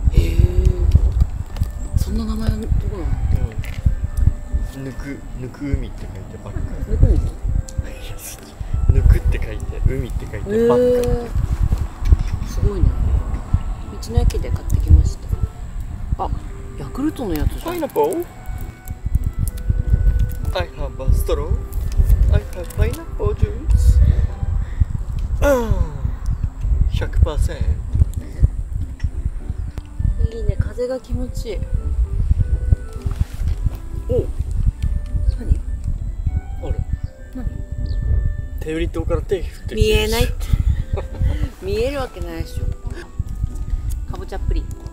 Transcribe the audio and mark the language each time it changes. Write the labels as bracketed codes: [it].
[ja] へえ、そんな名前のとこなの。ぬく海って書いてバッカイ。ぬく海？いや、ぬくって書いて海って書いてバッカイ。すごいね。道の駅で買ってきました。あ、ヤクルトのやつじゃん。 [en] パイナポー、 I have a straw, I have pineapple juice、100%。 [ja] いいね、風が気持ちいい。お、何？あれ？何？テブリ島から手振ってきてるし。見えないって見えるわけないでしょ。かぼちゃプリン、